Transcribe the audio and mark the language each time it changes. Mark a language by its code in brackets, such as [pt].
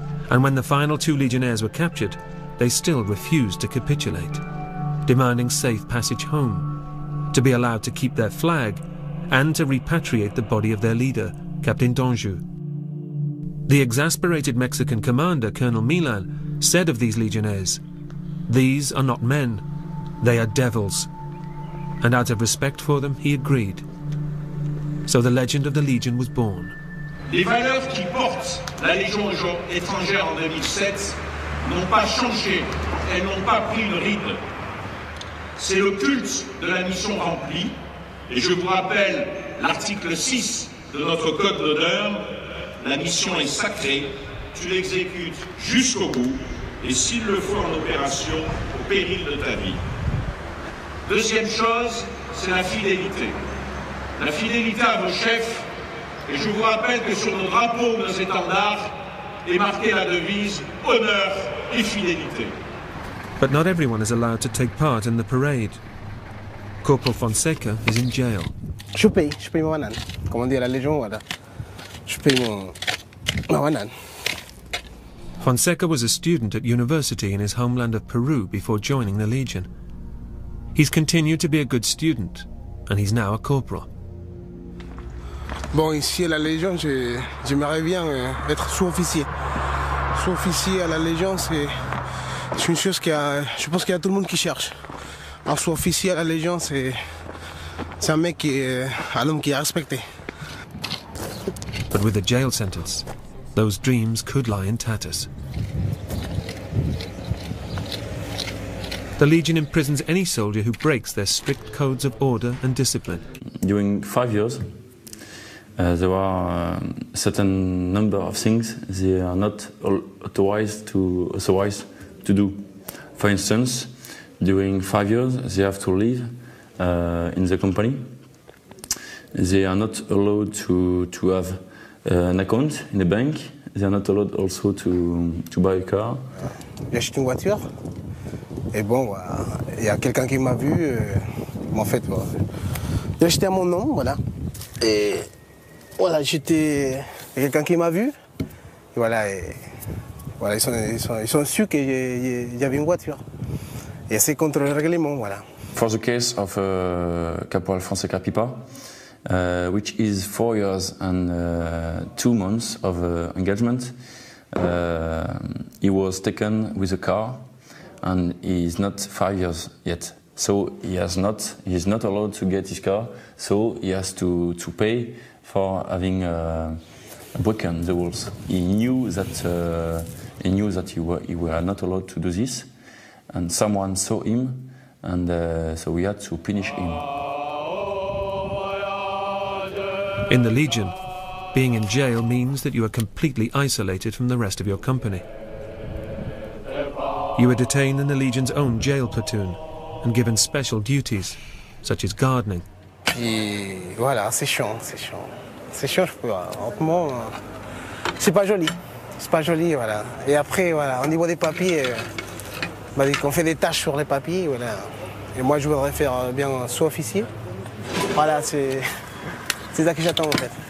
[en] And when the final two Legionnaires were captured, they still refused to capitulate, demanding safe passage home, to be allowed to keep their flag, and to repatriate the body of their leader, Captain Danjou. The exasperated Mexican commander, Colonel Milan, said of these Legionnaires, "These are not men, they are devils." And out of respect for them, he agreed. So the legend of the Legion was born. [fr] Les valeurs qui portent la Légion étrangère en 2007 n'ont pas changé, elles n'ont pas pris une ride. C'est le culte de la mission remplie, et je vous rappelle l'article 6 de notre code d'honneur, la mission est sacrée, tu l'exécutes jusqu'au bout, et s'il le faut en opération, au péril de ta vie. Deuxième chose, c'est la fidélité. La fidélité à vos chefs, et je vous rappelle que sur nos drapeaux ou nos étendards est marquée la devise « Honneur et fidélité ». [en] But not everyone is allowed to take part in the parade. Corporal Fonseca is in jail. [fr] Je paye mon banane. Comment dire la Légion, voilà. Je paye mon banane. [en] Fonseca was a student at university in his homeland of Peru before joining the Legion. He's continued to be a good student, and he's now a corporal. [fr] Bon, ici à la Légion, j'aimerais bien être sous-officier. Sous-officier à la Légion, c'est une chose qui a, je pense qu'il y a tout le monde qui cherche. Un sous-officier à la Légion, c'est un mec qui est un homme qui est respecté. [en] But with a jail sentence, those dreams could lie in tatters. The Legion imprisons any soldier who breaks their strict codes of order and discipline. During 5 years, there are certain number of things they are not authorized to do. For instance, during 5 years, they have to live in the company. They are not allowed to have an account in the bank. They are not allowed also to buy a car. [fr] J'ai acheté une voiture. Et bon, il y a quelqu'un qui m'a vu. En fait, bon, j'ai acheté à mon nom, voilà. Et voilà, j'étais quelqu'un qui m'a vu. Et voilà, ils ont su que j'avais une voiture. Et c'est contre le règlement, voilà. [en] For the case of Corporal Fonseca Pipa, which is 4 years and 2 months of engagement, he was taken with a car, and he is not 5 years yet. So he is not allowed to get his car. So he has to pay for having broken the rules. He knew that he were not allowed to do this. And someone saw him, and so we had to punish him. In the Legion, being in jail means that you are completely isolated from the rest of your company. You are detained in the Legion's own jail platoon and given special duties, such as gardening. [fr] Et voilà, c'est chiant. C'est chiant, je peux honnêtement, c'est pas joli, voilà. Et après, voilà, au niveau des papiers, on fait des tâches sur les papiers, voilà. Et moi, je voudrais faire bien sous-officier. Voilà, c'est ça que j'attends, en fait.